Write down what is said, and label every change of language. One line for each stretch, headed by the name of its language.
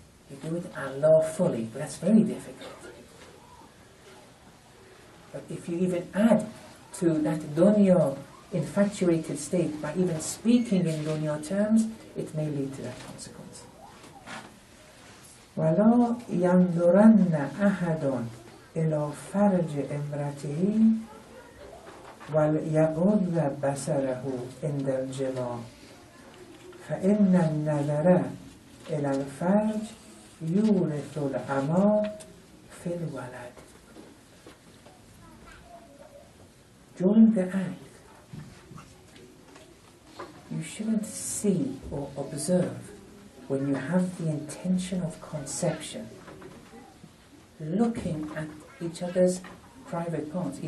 English: You do it Allah-fully, but that's very difficult. But if you even add to that dunya infatuated state by even speaking in dunya terms, it may lead to that consequence.
Arabic: ولا ينظرن احد الى فرج امراته وليغض بصره عند الجلاء فان النظر الى الفرج يورث العمى في الولد.
English: During the act, you shouldn't see or observe when you have the intention of conception, looking at each other's private parts.